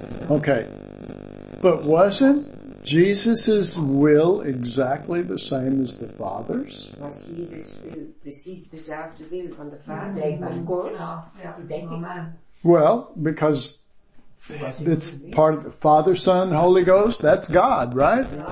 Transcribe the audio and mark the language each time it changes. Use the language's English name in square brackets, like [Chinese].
[English] Okay, but wasn't Jesus' will exactly the same as the Father's? [Dutch] Was Jesus' will precies dezelfde will van de Vader? [English] Of course. Well, because it's part of the Father, Son, Holy Ghost, that's God, right?